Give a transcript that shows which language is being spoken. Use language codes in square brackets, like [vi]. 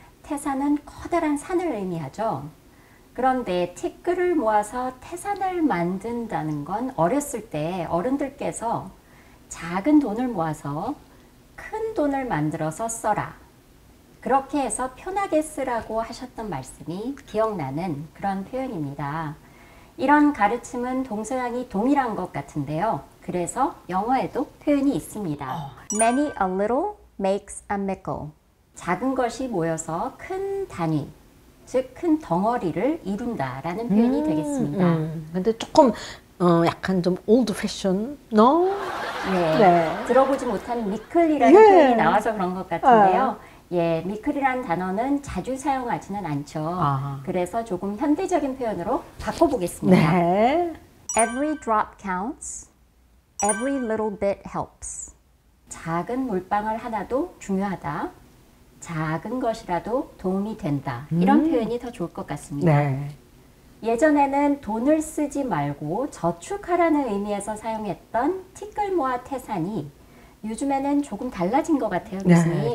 [ko] 태산은 커다란 산을 의미하죠. 그런데 티끌을 모아서 태산을 만든다는 건 어렸을 때 어른들께서 작은 돈을 모아서 큰 돈을 만들어서 써라. 그렇게 해서 편하게 쓰라고 하셨던 말씀이 기억나는 그런 표현입니다. 이런 가르침은 동서양이 동일한 것 같은데요. 그래서 영어에도 표현이 있습니다. [en] Many a little makes a mickle. [ko] 작은 것이 모여서 큰 단위. 즉, 큰 덩어리를 이룬다라는 표현이 되겠습니다. 근데 조금 약간 좀 올드 패션, 너? 네, 들어보지 못한 미클이라는 표현이 나와서 그런 것 같은데요. 예, 미클이라는 단어는 자주 사용하지는 않죠. 아. 그래서 조금 현대적인 표현으로 바꿔보겠습니다. 네. [en] Every drop counts, every little bit helps. [ko] 작은 물방울 하나도 중요하다. 작은 것이라도 도움이 된다. 이런 표현이 더 좋을 것 같습니다. 네. 예전에는 돈을 쓰지 말고 저축하라는 의미에서 사용했던 티끌 모아 태산이 요즘에는 조금 달라진 것 같아요, 교수님.